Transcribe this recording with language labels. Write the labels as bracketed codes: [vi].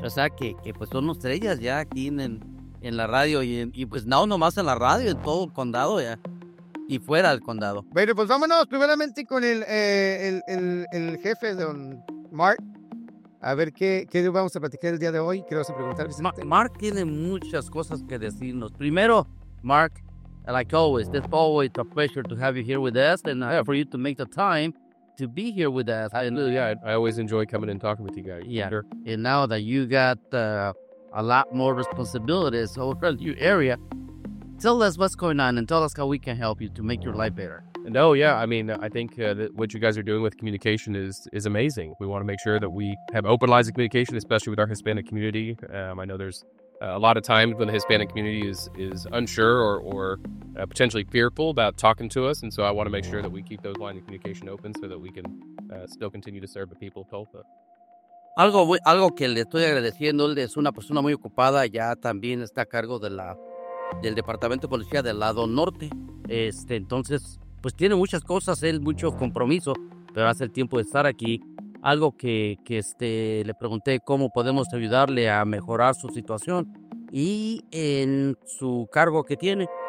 [es] O sea que pues son estrellas ya aquí en la radio y pues no nomás en la radio, en todo el condado ya. Y fuera del condado. Bueno, pues vámonos primeramente con el jefe, don Mark. A ver qué vamos a platicar el día de hoy. ¿Qué vas a preguntar, Vicente? Mark tiene muchas cosas que decirnos. Primero, Mark, [en] like always, it's always a pleasure to have you here with us and for you to make the time to be here with us. I always enjoy coming and talking with you guys. Yeah. Sure. And now that you got a lot more responsibilities over a new area, tell us what's going on and tell us how we can help you to make your life better. No, yeah. I mean, I think that what you guys are doing with communication is amazing. We want to make sure that we have open lines of communication, especially with our Hispanic community. I know there's a lot of times when the Hispanic community is unsure or potentially fearful about talking to us. And so I want to make sure that we keep those lines of communication open so that we can still continue to serve the people of Tulsa. [es] Algo que le estoy agradeciendo, él es una persona muy ocupada, ya también está a cargo de la del Departamento de Policía del lado norte. Entonces, pues tiene muchas cosas, él mucho compromiso, pero hace el tiempo de estar aquí. Algo que le pregunté cómo podemos ayudarle a mejorar su situación y en su cargo que tiene.